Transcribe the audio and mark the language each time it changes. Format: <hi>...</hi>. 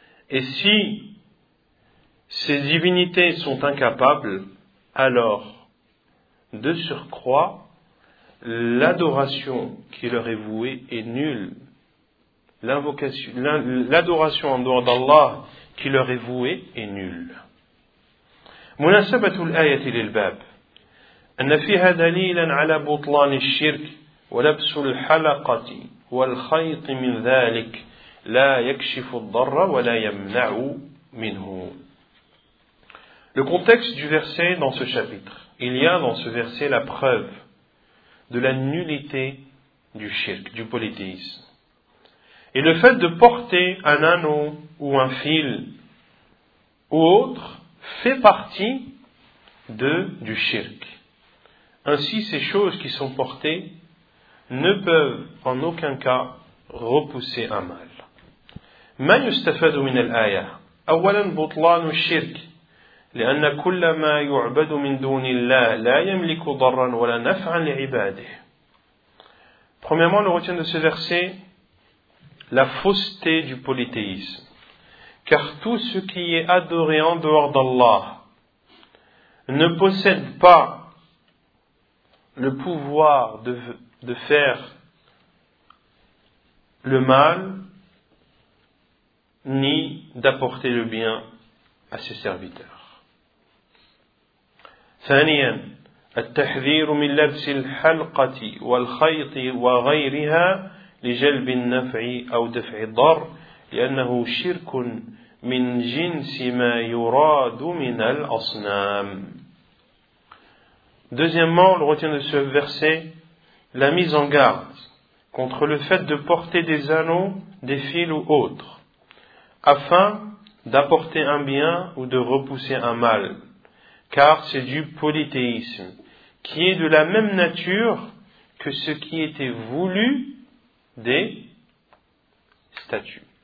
<fr>Et si ces divinités sont incapables, alors, de surcroît, l'adoration qui leur est vouée est nulle. L'adoration en dehors d'Allah qui leur est vouée est nulle.</fr> <ar>مناسبة الآية للباب أن فيها دليلا على بطلان الشرك ولبس الحلقة والخيط من ذلك لا يكشف الضر ولا يمنع منه.</ar> <fr>Le contexte du verset dans ce chapitre. Il y a dans ce verset la preuve de la nullité du shirk, du polythéisme. Et le fait de porter un anneau ou un fil ou autre fait partie du shirk. Ainsi, ces choses qui sont portées ne peuvent en aucun cas repousser un mal.</fr> <ar>ما يستفاد من الآية؟ أولا بطلان الشرك لأن كل ما يعبد من دون الله لا يملك ضرا ولا نفعا لعباده.</ar> <fr>Premièrement, on retient de ce verset la fausseté du polythéisme. Car tout ce qui est adoré en dehors d'Allah ne possède pas le pouvoir de faire le mal ni d'apporter le bien à ses serviteurs.</fr> <ar>ثانيا التحذير من لبس الحلقة والخيط وغيرها لجلب النفع أو دفع الضر لأنه شرك من جنس ما يراد من الأصنام.</ar> <fr>Deuxièmement, le retien de ce verset, la mise en garde contre le fait de porter des anneaux, des fils ou autres, afin d'apporter un bien ou de repousser un mal. Car c'est du polythéisme, qui est de la même nature que ce qui était voulu des statues.</fr>